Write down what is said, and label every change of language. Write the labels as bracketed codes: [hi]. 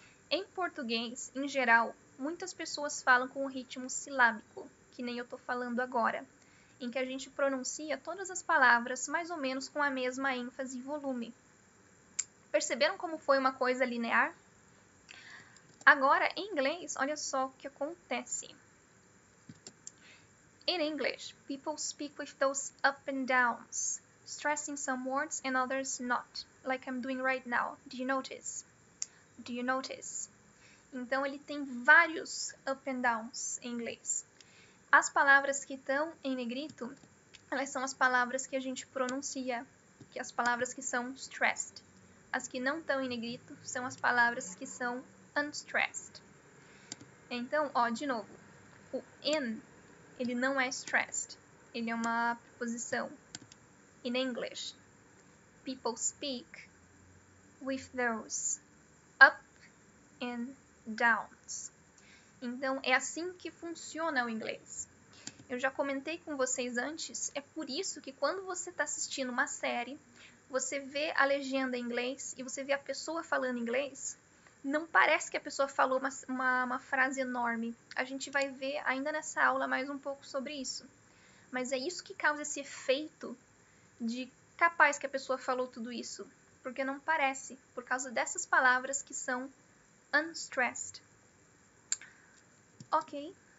[pt] Em português, em geral, muitas pessoas falam com o ritmo silábico, que nem eu estou falando agora, em que a gente pronuncia todas as palavras mais ou menos com a mesma ênfase e volume. Perceberam como foi uma coisa linear? Agora, em inglês, olha só o que acontece. [en] In English, people speak with those up and downs. Stressing some words and others not, like I'm doing right now. Do you notice? Do you notice? [pt] Então ele tem vários [en] up and downs [pt] em inglês. As palavras que estão em negrito, elas são as palavras que a gente pronuncia, que as palavras que são stressed. As que não estão em negrito são as palavras que são unstressed. Então, ó, de novo, o in, ele não é stressed, ele é uma preposição. [en] In English, people speak with those up and downs. [pt] Então é assim que funciona o inglês. Eu já comentei com vocês antes, é por isso que quando você está assistindo uma série, você vê a legenda em inglês e você vê a pessoa falando inglês, não parece que a pessoa falou uma frase enorme. A gente vai ver ainda nessa aula mais um pouco sobre isso. Mas é isso que causa esse efeito de capaz que a pessoa falou tudo isso, porque não parece, por causa dessas palavras que são Unstressed. Ok.